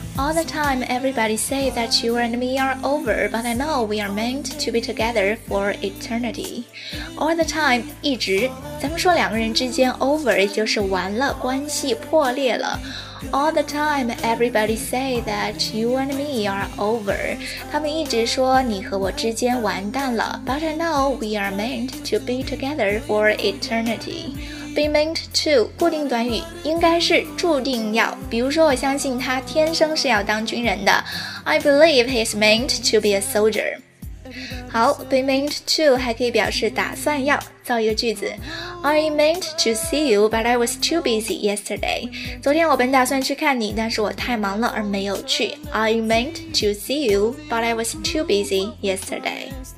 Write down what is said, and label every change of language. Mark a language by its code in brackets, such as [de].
[en] all the time everybody say that you and me are over, but I know we are meant to be together for eternity. [zh] All the time, 一直，咱们说两个人之间 over 就是完了，关系破裂了。 [en] All the time, everybody say that you and me are over. [zh] 他们一直说你和我之间完蛋了。 [en] But I know we are meant to be together for eternity. [zh] Be meant to, 固定短语，应该是注定要。比如说我相信他天生是要当军人的。 [en] I believe he's meant to be a soldier. [zh] 好 ,be meant to 还可以表示打算要。造一个句子。 [en] I meant to see you, but I was too busy yesterday. [zh] 昨天我本打算去看你，但是我太忙了而没有去。 [en] I meant to see you, but I was too busy yesterday.